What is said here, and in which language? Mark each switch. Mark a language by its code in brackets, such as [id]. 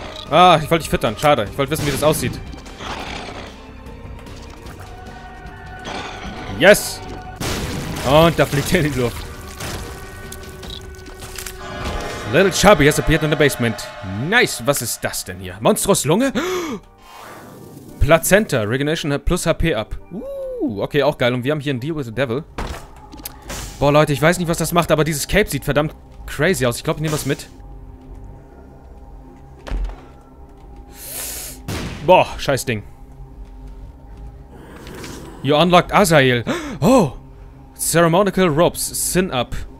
[de] Ah, ich wollte dich füttern. Schade. Ich wollte wissen, wie das aussieht. Yes! Und da fliegt er in die Luft. [en] Little Chubby has appeared in the basement. [de] Nice! Was ist das denn hier? Monstrous Lunge? Plazenta. [en] Regeneration plus HP up. [de] Okay, auch geil. Und wir haben hier einen Deal with the Devil. Boah, Leute, ich weiß nicht, was das macht, aber dieses Cape sieht verdammt crazy aus. Ich glaube, ich nehme was mit. Boah, scheiß Ding. [en] You unlocked Azrael. Oh! Ceremonial Robes, Sin Up.